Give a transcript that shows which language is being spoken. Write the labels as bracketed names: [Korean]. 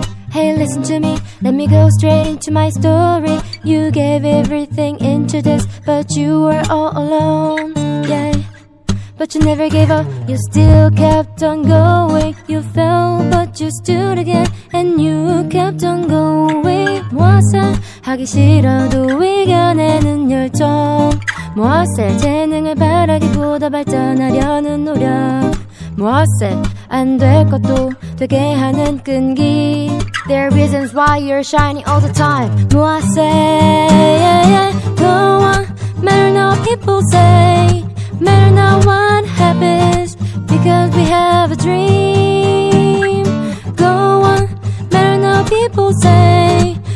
[English] Hey, listen to me, let me go straight into my story. You gave everything into this, but you were all alone, yeah. But you never gave up, you still kept on going. You fell, but you stood again, and you kept on going. [Korean] 무엇을 하기 싫어도 이겨내는 열정. 무엇에 재능을 바라기보다 발전하려는 노력. 무엇에 안 될 것도 되게 하는 끈기. [English] There are reasons why you're shining all the time. [Korean] 무엇에, [English] yeah, yeah. Go on, matter not what people say. Matter not what happens, because we have a dream. Go on, matter not what people say.